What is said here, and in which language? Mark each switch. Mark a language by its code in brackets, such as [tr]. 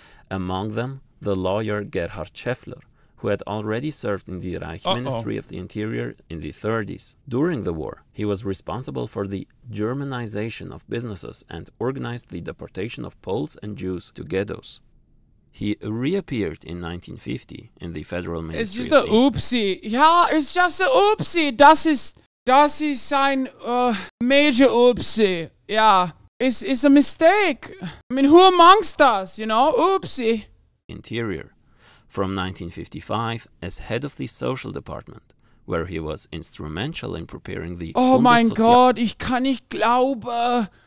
[en] Among them, the lawyer Gerhard Schäffler, who had already served in the Reich Ministry of the Interior in the 30s. During the war, he was responsible for the Germanization of businesses and organized the deportation of Poles and Jews to ghettos. He reappeared in 1950 in the Federal Ministry. It's just an oopsie. Yeah, it's just an oopsie. [de] Das ist ein [en] major oopsie. Yeah, it's a mistake. I mean, who amongst us, you know? Oopsie. Interior. From 1955, as head of the social department, where he was instrumental in preparing the... [de] Oh mein Gott, ich kann nicht glauben.